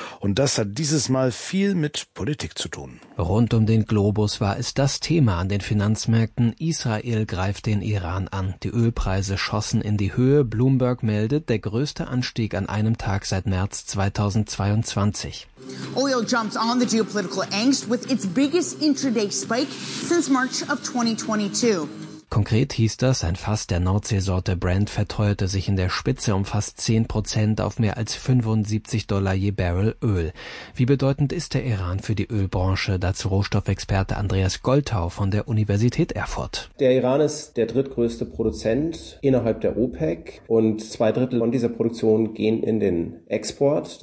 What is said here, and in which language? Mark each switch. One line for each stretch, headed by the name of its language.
German: Und das hat dieses Mal viel mit Politik zu tun. Rund um den Globus war es das Thema an den Finanzmärkten. Israel greift den Iran an. Die Ölpreise schossen in die Höhe. Bloomberg meldet der größte Anstieg an einem Tag seit März 2022.
English: Oil jumps on the geopolitical angst with its biggest intraday spike since March of 2022.
German: Konkret hieß das, ein Fass der Nordseesorte Brent verteuerte sich in der Spitze um fast 10% auf mehr als $75 je Barrel Öl. Wie bedeutend ist der Iran für die Ölbranche? Dazu Rohstoffexperte Andreas Goldtau von der Universität Erfurt. Der Iran ist der drittgrößte Produzent innerhalb der OPEC und 2/3 von dieser Produktion gehen in den Export.